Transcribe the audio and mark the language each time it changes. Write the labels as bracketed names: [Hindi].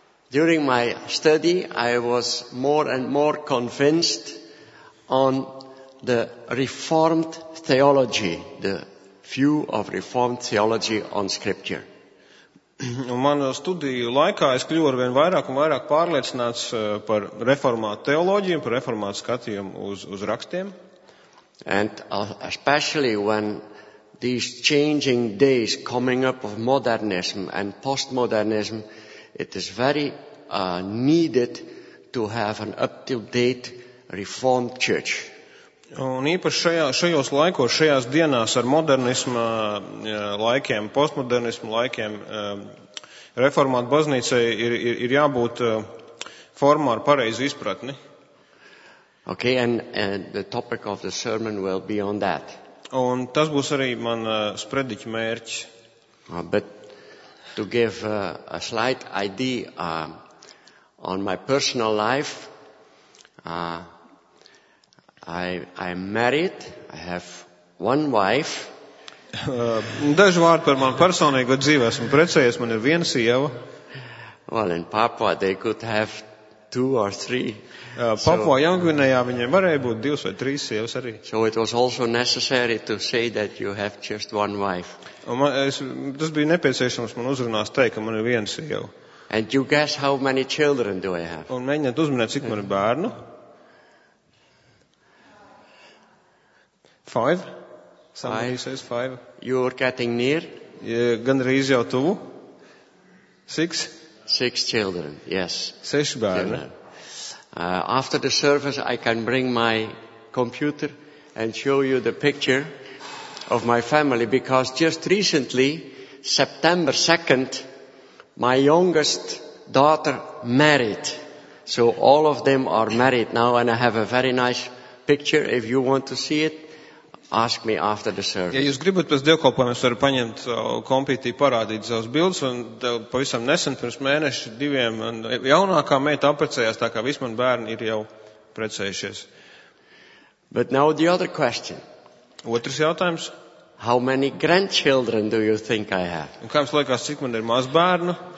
[English] During my study, I was more and more convinced on the reformed theology, the view of reformed theology on scripture. [Latvian] Un manu studiju laikā es kļuvu arvien vairāk un vairāk pārliecināts par reformātu teoloģiju, par reformātu skatījumu uz rakstiem. [English] And especially when these changing days coming up of modernism and postmodernism, it is very needed to have an up-to-date reformed church. [Latvian] Un īpaši šajos laikos, šajās dienās ar modernisma laikiem, postmodernisma laikiem, reformāta baznīcai ir jābūt formā ar pareizu izpratni. [English] Okay, and the topic of the sermon will be on that. [Latvian] Un tas būs arī man sprediķa mērķis. [English] But to give a slight idea on my personal life, I am married, I have one wife. [Latvian] Dažu vārdu par manu personīgo dzīvi esmu precējies, man ir viena sieva. [English] Well, in Papua they could have two or three. [Latvian] Papua Jaungunejā viņiem varēja būt divas vai trīs sievas arī. [English] So it was also necessary to say that you have just one wife. [Latvian] Tas bija nepieciešams man uzrunās teikt, ka man ir viena sieva. [English] And you guess how many children do I have? [Latvian] Un mēģināt uzminēt, cik man ir bērnu. [English] Five? Somebody five. Says five. You're getting near. [Latvian] Gandrīz jau tuvu. [English] Six? Six children, yes. [Latvian] Seši bērni. [English] After the service, I can bring my computer and show you the picture of my family, because just recently, September 2nd, my youngest daughter married. So all of them are married now, and I have a very nice picture. If you want to see it, ask me after the service. [Latvian] Ja jūs gribat pēc dievkalpojuma, es varu paņemt kompītī parādīt savus bildes, un pavisam nesen pirms mēneša diviem jaunākā meita aprecējās, tā kā visi mani bērni ir jau precējušies. [English] But now the other question. [Latvian] Otrs jautājums. [English] How many grandchildren do you think I have? [Latvian] Un kā jums liekas, cik man ir maz bērnu?